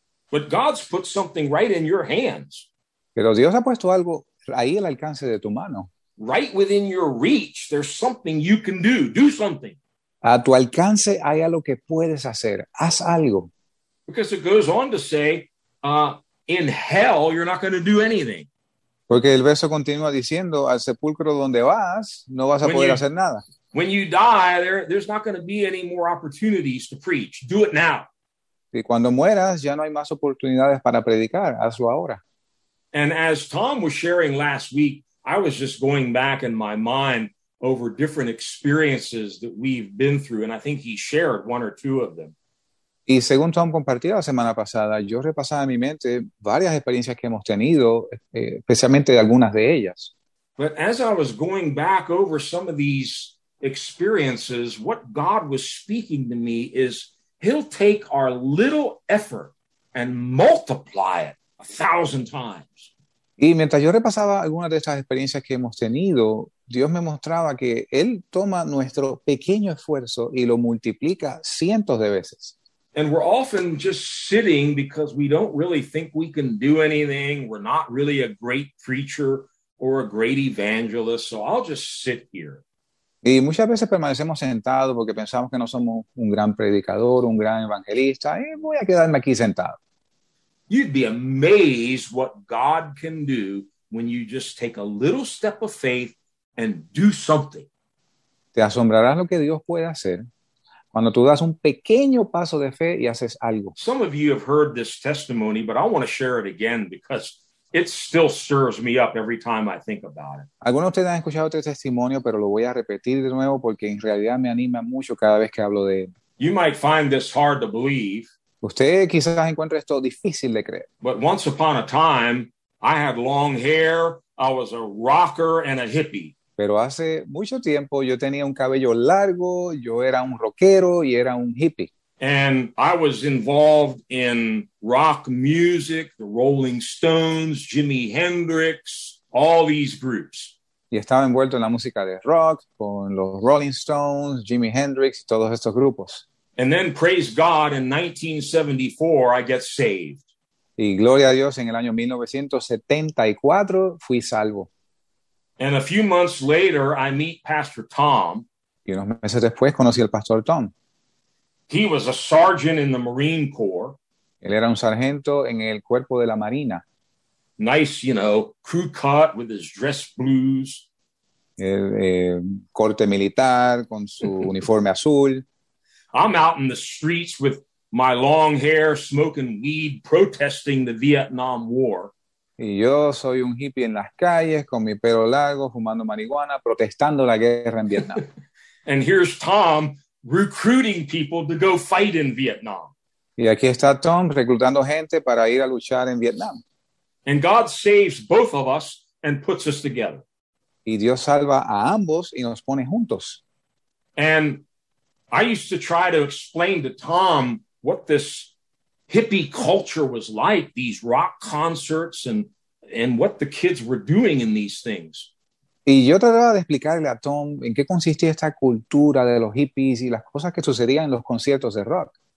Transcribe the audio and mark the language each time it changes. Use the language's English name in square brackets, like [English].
[English] But God's put something right in your hands. [Spanish] Pero Dios ha puesto algo ahí al alcance de tu mano. [English] Right within your reach, there's something you can do. Do something. [Spanish] A tu alcance hay algo que puedes hacer. Haz algo. [English] Because it goes on to say, in hell, you're not going to do anything. [Spanish] Porque el verso continúa diciendo, al sepulcro donde vas, no vas a poder hacer nada. [English] When you die, there's not going to be any more opportunities to preach. Do it now. [Spanish] Y cuando mueras, ya no hay más oportunidades para predicar. Hazlo ahora. [English] And as Tom was sharing last week, I was just going back in my mind over different experiences that we've been through, and I think he shared one or two of them. [Spanish] Y según Tom compartió la semana pasada, yo repasaba en mi mente varias experiencias que hemos tenido, especialmente algunas de ellas. [English] But as I was going back over some of these experiences, what God was speaking to me is he'll take our little effort and multiply it 1,000 times. [Spanish] Y mientras yo repasaba algunas de estas experiencias que hemos tenido, Dios me mostraba que él toma nuestro pequeño esfuerzo y lo multiplica cientos de veces. [English] And we're often just sitting because we don't really think we can do anything. We're not really a great preacher or a great evangelist. So I'll just sit here. [Spanish] Y muchas veces permanecemos sentados porque pensamos que no somos un gran predicador, un gran evangelista. Y voy a quedarme aquí sentado. [English] You'd be amazed what God can do when you just take a little step of faith and do something. [Spanish] Te asombrarás lo que Dios puede hacer cuando tú das un pequeño paso de fe y haces algo. [English] Some of you have heard this testimony, but I want to share it again because it still stirs me up every time I think about it. [Spanish] Algunos de ustedes han escuchado este testimonio, pero lo voy a repetir de nuevo porque en realidad me anima mucho cada vez que hablo de él. [English] You might find this hard to believe. [Spanish] Usted quizás encuentre esto difícil de creer. [English] But once upon a time, I had long hair, I was a rocker and a hippie. [Spanish] Pero hace mucho tiempo yo tenía un cabello largo, yo era un rockero y era un hippie. [English] And I was involved in rock music, the Rolling Stones, Jimi Hendrix, all these groups. [Spanish] Y estaba envuelto en la música de rock, con los Rolling Stones, Jimi Hendrix, todos estos grupos. [English] And then, praise God, in 1974, I get saved. [Spanish] Y gloria a Dios, en el año 1974 fui salvo. [English] And a few months later, I meet Pastor Tom. [Spanish] Y unos meses después conocí al Pastor Tom. [English] He was a sergeant in the Marine Corps. [Spanish] Él era un sargento en el cuerpo de la Marina. [English] Nice, you know, crew cut with his dress blues. [Spanish] El corte militar con su uniforme azul. [English] I'm out in the streets with my long hair, smoking weed, protesting the Vietnam War. [Spanish] Y yo soy un hippie en las calles con mi pelo largo, fumando marihuana, protestando la guerra en Vietnam. [English] And here's Tom recruiting people to go fight in Vietnam. [Spanish] Y aquí está Tom reclutando gente para ir a luchar en Vietnam. [English] And God saves both of us and puts us together. [Spanish] Y Dios salva a ambos y nos pone juntos. [English] And I used to try to explain to Tom what this hippie culture was like, these rock concerts and what the kids were doing in these things. [Spanish] Y yo trataba de explicarle a Tom en qué consistía esta cultura de los hippies y las cosas que sucedían en los conciertos de rock.